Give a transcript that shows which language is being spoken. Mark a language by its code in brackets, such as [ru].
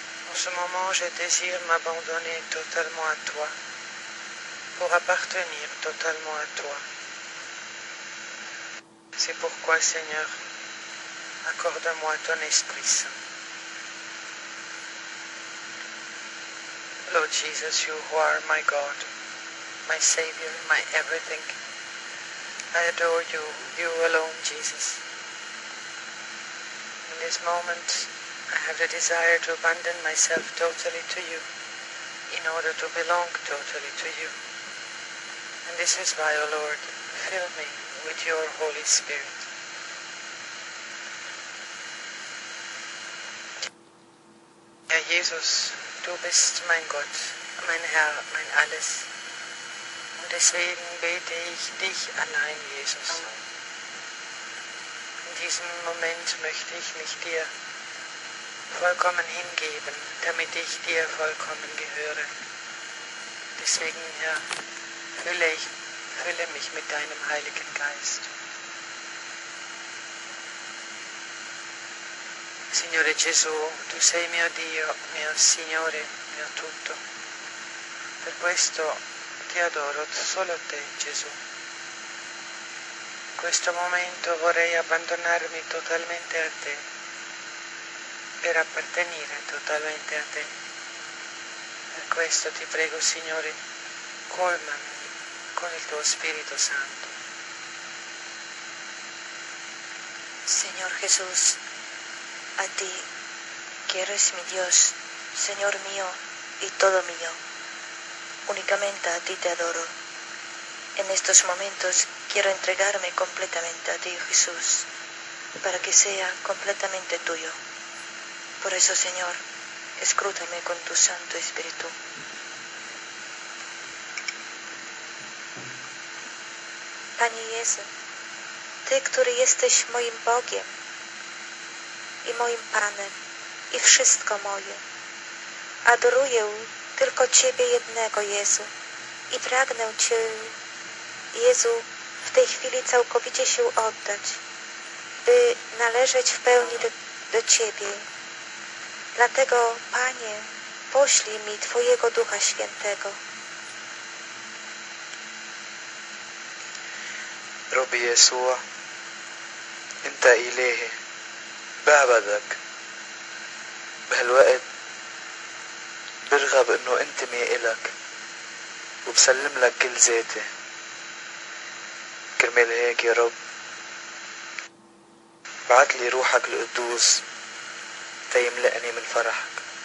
[fr] En ce moment, je désire m'abandonner totalement à toi, pour appartenir totalement à toi. C'est pourquoi, Seigneur, accorde-moi ton Esprit Saint. [en] Lord Jesus, you who are my God, my Savior, my everything, I adore you, you alone, Jesus. In this moment, I have the desire to abandon myself totally to you, in order to belong totally to you. And this is why, O Lord, fill me with your Holy Spirit. [de] Ja, Jesus, Du bist mein Gott, mein Herr, mein Alles. Und deswegen bete ich dich allein, Jesus. In diesem Moment möchte ich mich dir vollkommen hingeben, damit ich dir vollkommen gehöre. Deswegen, Herr, fülle mich mit deinem Heiligen Geist. [it] Signore Gesù, tu sei mio Dio, mio Signore, mio tutto. Per questo ti adoro solo te, Gesù. In questo momento vorrei abbandonarmi totalmente a te, per appartenere totalmente a te. Per questo ti prego, Signore, colmami con il tuo Spirito Santo. [es] Signor Gesù, a ti, que eres mi Dios, Señor mío y todo mío. Únicamente a ti te adoro. En estos momentos quiero entregarme completamente a ti, Jesús, para que sea completamente tuyo. Por eso, Señor, escrútame con tu Santo Espíritu. [pl] Panie Jezu, Ty, który jesteś moim Bogiem, i moim Panem, i wszystko moje. Adoruję tylko Ciebie jednego, Jezu, i pragnę Cię, Jezu, w tej chwili całkowicie się oddać, by należeć w pełni do Ciebie. Dlatego, Panie, poślij mi Twojego Ducha Świętego. [ar] Robi Jezu, Inta Ilehe, بعبدك بهالوقت برغب انه انتمي الك وبسلم لك كل ذاتي كرمال هيك يا رب بعت لي روحك القدوس تيملأني من فرحك